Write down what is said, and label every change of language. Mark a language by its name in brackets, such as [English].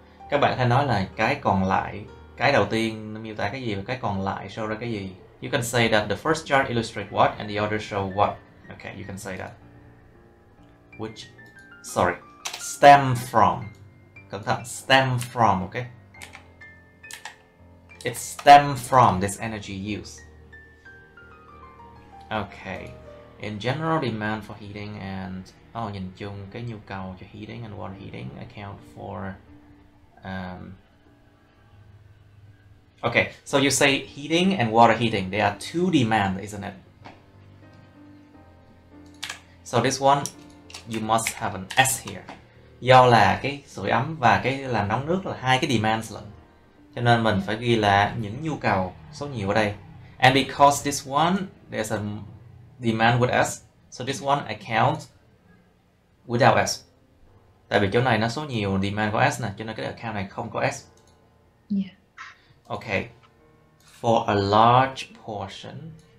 [Vietnamese] Các bạn hãy nói là cái còn lại, cái đầu tiên nó miêu tả cái gì và cái còn lại show ra cái gì. [English] You can say that the first chart illustrate what and the other show what. Okay, you can say that. Which, sorry, stem from. [Vietnamese] Cẩn thận, stem from, okay? [English] It stem from this energy use. Okay. In general, demand for heating and oh, [Vietnamese] nhìn chung cái nhu cầu cho [English] heating and water heating account for okay, so you say heating and water heating, they are two demands, isn't it? So this one you must have an S here. [Vietnamese] Do là cái sưởi ấm và cái làm nóng nước là hai cái demands lận. Cho nên mình phải ghi là những nhu cầu số nhiều ở đây. [English] And because this one there's a demand with S. So this one account without S. [Vietnamese] Tại vì chỗ này nó số nhiều demand có S nè, cho nên cái account này không có S. [English] Yeah. Okay. For a large portion.